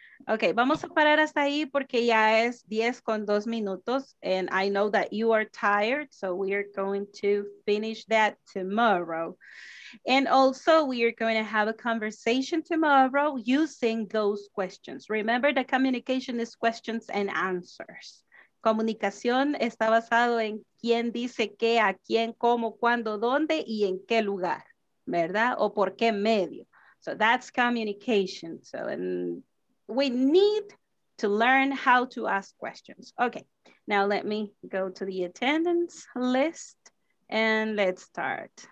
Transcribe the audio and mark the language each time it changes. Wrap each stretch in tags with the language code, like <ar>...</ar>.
<es>Okay, vamos a parar hasta ahí porque ya es 10:02.</es> <en>And I know that you are tired, so we are going to finish that tomorrow. And also, we are going to have a conversation tomorrow using those questions. Remember that communication is questions and answers.</en> <es>Comunicación está basado en quién dice qué, a quién, cómo, cuándo, dónde, y en qué lugar, ¿verdad? O por qué medio.</es> <en>So that's communication. So and we need to learn how to ask questions. Okay, now let me go to the attendance list and let's start.</en>